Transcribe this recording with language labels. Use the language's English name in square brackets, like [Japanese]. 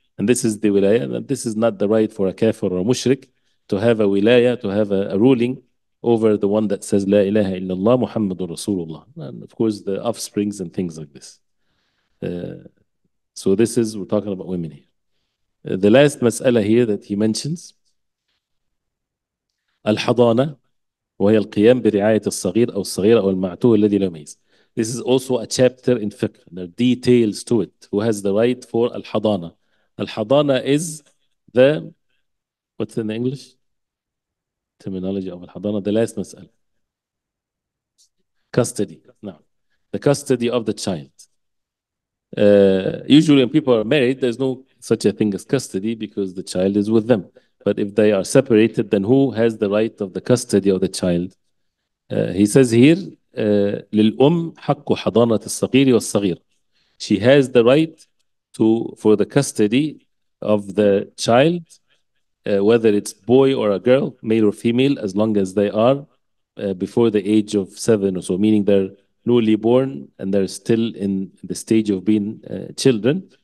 [English] And this is the wilaya, and this is not the right for a kafir or a mushrik to have a wilaya, to have a ruling over the one that says, La ilaha illallah Muhammadur Rasulullah. And of course, the offsprings and things like this. So this is, we're talking about women here. The last mas'ala here that he mentions, al-hadana, [Arabic] وهي القيام برعاية الصغير أو الصغيرة أو المعتوه الذي لا يميز. [English] This is also a chapter in fiqh. There are details to it. Who has the right for al-hadana? Al-hadana is the, what's in English? Terminology of al-hadana, the last mas'ala. Custody, no. The custody of the child. Usually when people are married, there's no such a thing as custody because the child is with them. But if they are separated, then who has the right of the custody of the child? He says here, [Arabic] لِلْأُمْ حَقُّ حَضَانَةِ الصَّغِيرِ وَالصَّغِيرِ. [English] She has the right for the custody of the child, whether it's boy or a girl, male or female, as long as they are before the age of 7 or so, meaning they're newly born and they're still in the stage of being children.